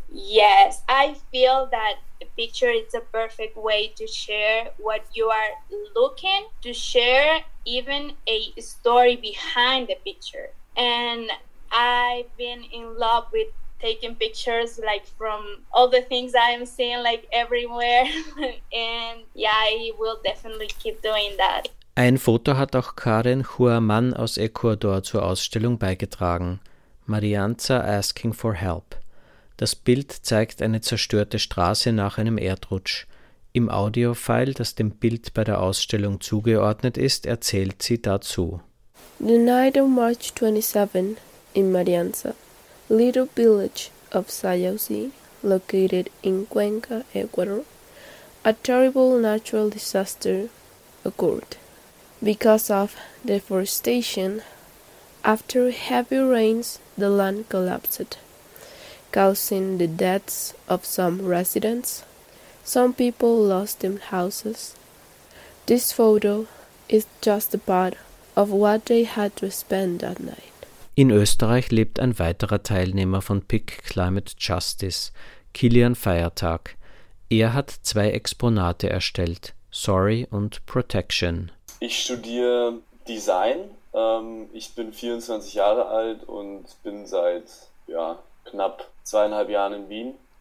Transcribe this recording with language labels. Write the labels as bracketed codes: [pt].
[en] Yes, I feel that a picture is a perfect way to share what you are looking, to share even a story behind the picture. And I've been in love with taking pictures, like from all the things I'm seeing like everywhere. And yeah, I will definitely keep doing that. [de] Ein Foto hat auch Karen Huaman aus Ecuador zur Ausstellung beigetragen. Marianza [en] asking for help. [de] Das Bild zeigt eine zerstörte Straße nach einem Erdrutsch. Im Audiofile, das dem Bild bei der Ausstellung zugeordnet ist, erzählt sie dazu. [en] The night of March 27 in Marianza, little village of Sayauzi, located in Cuenca, Ecuador, a terrible natural disaster occurred. Because of deforestation, after heavy rains, the land collapsed, causing the deaths of some residents. Some people lost their houses. This photo is just a part of what they had to spend that night. [de] In Österreich lebt ein weiterer Teilnehmer von PIC Climate Justice, Kilian Feiertag. Er hat zwei Exponate erstellt, Sorry und Protection. Ich studiere Design Ich bin 24 Jahre alt und bin seit knapp 2,5 Jahren in Wien.